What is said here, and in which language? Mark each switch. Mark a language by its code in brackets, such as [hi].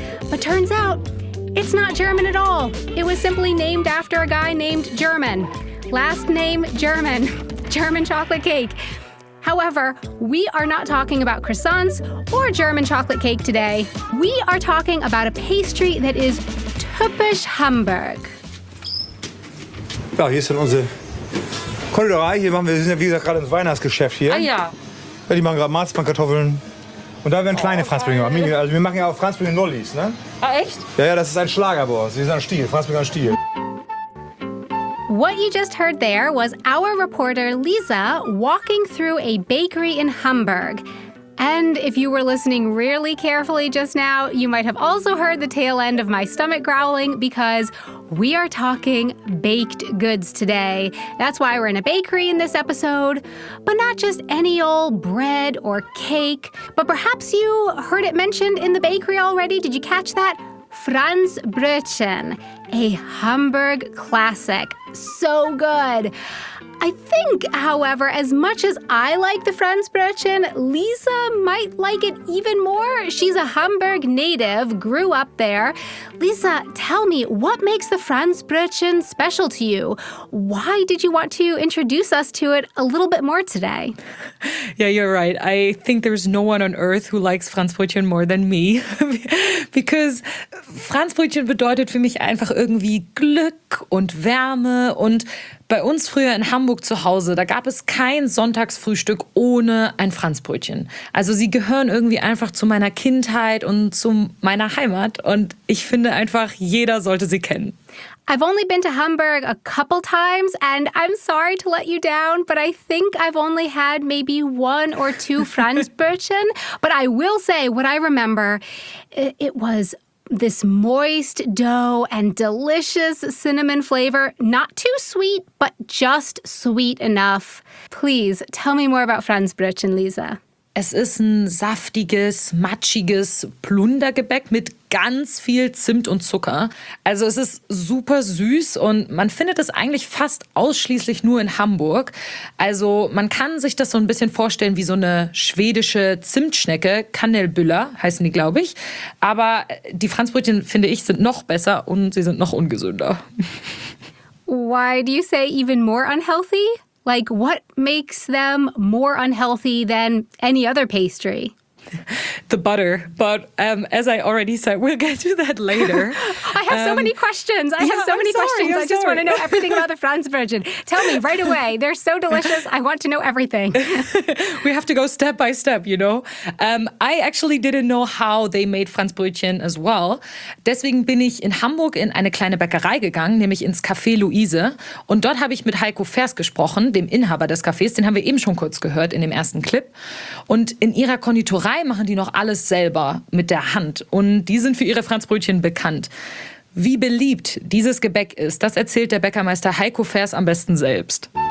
[en] But turns out, it's not German at all. It was simply named after a guy named German. Last name, German. German chocolate cake. However, we are not talking about croissants or German chocolate cake today. We are talking about a pastry that is [de] typisch [en] Hamburg. [de] Ja, hier ist dann unsere Konditorei. Hier machen wir, sind ja wie gesagt gerade im Weihnachtsgeschäft hier. Ah ja. Ja, die machen gerade Marzipankartoffeln. Und da werden kleine Franzbrötchen gemacht. Also wir machen ja auch Franzbrötchen Lollis, ne? Ah, echt? Ja, ja, das ist ein Schlager, boah. Sie ist ein Stiel, Franzbrötchen Stiel. [en] What you just heard there was our reporter Lisa walking through a bakery in Hamburg. And if you were listening really carefully just now, you might have also heard the tail end of my stomach growling because we are talking baked goods today. That's why we're in a bakery in this episode. But not just any old bread or cake, but perhaps you heard it mentioned in the bakery already. Did you catch that? Franzbrötchen, a Hamburg classic. So good. I think, however, as much as I like the Franzbrötchen, Lisa might like it even more. She's a Hamburg native, grew up there. Lisa, tell me, what makes the Franzbrötchen special to you? Why did you want to introduce us to it a little bit more today? Yeah, you're right. I think there's no one on earth who likes Franzbrötchen more than me. Because [de] Franzbrötchen bedeutet für mich einfach irgendwie Glück und Wärme und... Bei uns früher in Hamburg zu Hause, da gab es kein Sonntagsfrühstück ohne ein Franzbrötchen. Also sie gehören irgendwie einfach zu meiner Kindheit und zu meiner Heimat. Und ich finde einfach, jeder sollte sie kennen. [en] I've only been to Hamburg a couple times and I'm sorry to let you down, but I think I've only had maybe one or two Franzbrötchen. But I will say what I remember, it was this moist dough and delicious cinnamon flavor. Not too sweet, but just sweet enough. Please, tell me more about Franzbrötchen, Lisa. [de] Es ist ein saftiges, matschiges Plundergebäck mit ganz viel Zimt und Zucker. Also es ist super süß und man findet es eigentlich fast ausschließlich nur in Hamburg. Also man kann sich das so ein bisschen vorstellen wie so eine schwedische Zimtschnecke. Kanelbüller heißen die, glaube ich. Aber die Franzbrötchen, finde ich, sind noch besser und sie sind noch ungesünder. [en] Why do you say even more unhealthy? Like, what makes them more unhealthy than any other pastry? The butter. But as I already said, we'll get to that later. I have so many questions. I just want to know everything about the Franzbrötchen. Tell me right away. They're so delicious. I want to know everything. We have to go step by step, you know. I actually didn't know how they made Franzbrötchen as well. [de] Deswegen bin ich in Hamburg in eine kleine Bäckerei gegangen, nämlich ins Café Luise. Und dort habe ich mit Heiko Fers gesprochen, dem Inhaber des Cafés. Den haben wir eben schon kurz gehört in dem ersten Clip. Und in ihrer Konditorei machen die noch alles selber mit der Hand. Und die sind für ihre Franzbrötchen bekannt. Wie beliebt dieses Gebäck ist, das erzählt der Bäckermeister Heiko Fers am besten selbst.